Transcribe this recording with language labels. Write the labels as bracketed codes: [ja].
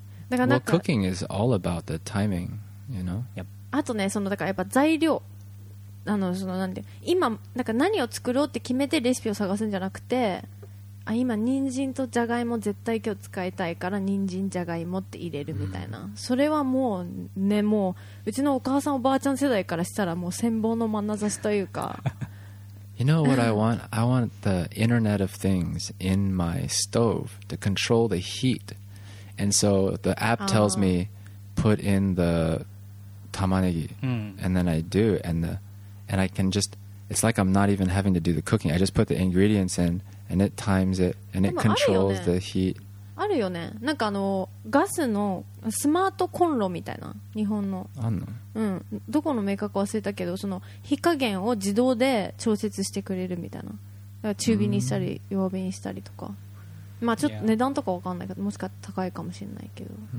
[ja] だからなんか、 [en] well, cooking is all about the timing, you know? [ja] あとね、そのだからやっぱ材料、あのそのなんて、今なんか何を作ろうって決めてレシピを探すんじゃなくて、あ、今人参とじゃがいも絶対今日使いたいから人参じゃがいもって入れるみたいな、うん、それはもうね、もううちのお母さんおばあちゃん世代からしたらもう羨望の眼差しというか。 [en] You know what I want? I want the Internet of Things in my stove to control the heat. And so the app tells me, put in the tamanegi. And then I do. And I can just, it's like I'm not even having to do the cooking. I just put the ingredients in and it times it and it controls the heat. [ja] あるよね。なんかあのガスのスマートコンロみたいな、日本の。あんの？うん、どこのメーカーか忘れたけど、その火加減を自動で調節してくれるみたいな。だから中火にしたり弱火にしたりとか。まあちょっと値段とか分かんないけど、もしかしたら高いかもしれないけど。